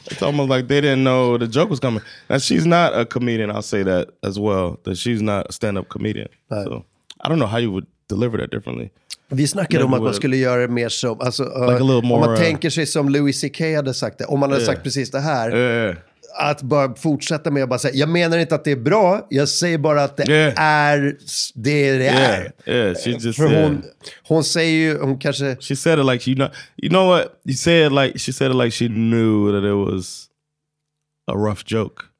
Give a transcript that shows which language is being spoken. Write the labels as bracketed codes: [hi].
[en] It's almost like they didn't know the joke was coming. Now, she's not a comedian, I'll say that as well, that she's not a stand-up comedian. Right. So, I don't know how you would deliver that differently. [sv] Vi snackade om att man skulle göra mer som, alltså, [en] like a little more, [sv] om man tänker sig som Louis C.K. hade sagt det, om man hade sagt precis det här, att bara fortsätta med att bara säga, jag menar inte att det är bra, jag säger bara att det är det är. Hon säger ju, hon kanske... [en] She said it like, you know what, you said like, she said it like she knew that it was a rough joke.